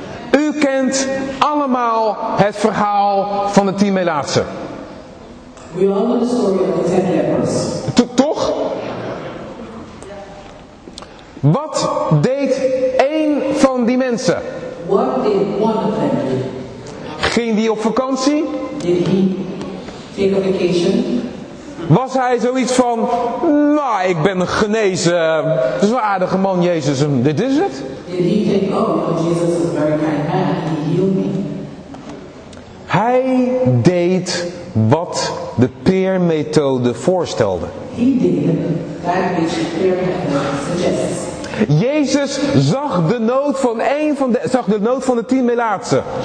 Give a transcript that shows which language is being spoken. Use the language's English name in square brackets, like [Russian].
[Dutch] U kent allemaal het verhaal van de 10 melaatse. [English] We all know the story of the 10 lepers. [Dutch] Toch? Wat deed één van die mensen? [English] What did one of them do? [Dutch] Ging die op vakantie? [English] Did he take a vacation? [Dutch] Was hij zoiets van, nou, ik ben genezen, het is wel een aardige man, Jezus, dit is het? [English] Did he think, oh, Jesus is a very kind man, he healed me. [Dutch] Hij deed wat de peer-methode voorstelde. [English] He did that which the peer-methode suggests. [Dutch] Jezus zag de nood van één van de, zag de nood van de 10 melaatsen.